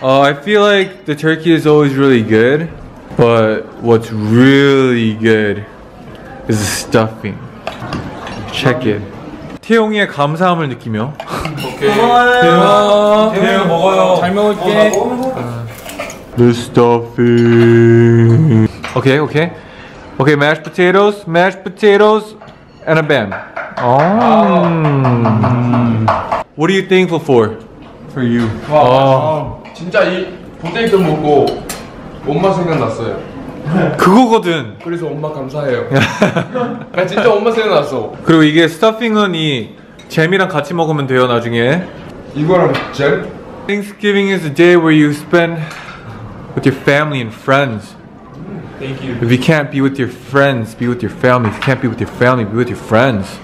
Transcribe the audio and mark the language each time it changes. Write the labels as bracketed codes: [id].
[en] I feel like the turkey is always really good, but what's really good is the stuffing. Check it. [ko] 태용이의 감사함을 느끼며. 오케이. 고마워요. 태용이 먹어요. 잘 먹을게. [en] The stuffing. Okay, okay. Okay, mashed potatoes, and a bam. Oh. What are you thankful for? For you. Wow. Oh. [ko] 진짜 이 포테이토 먹고 엄마 생각났어요. 그거거든. 그래서 엄마 감사해요. 나 진짜 엄마 생각났어. 그리고 이게 스타핑은 이 잼이랑 같이 먹으면 돼요 나중에. 이거랑 잼? [en] Thanksgiving is a day where you spend with your family and friends. Thank you. If you can't be with your friends, be with your family. If you can't be with your family, be with your friends.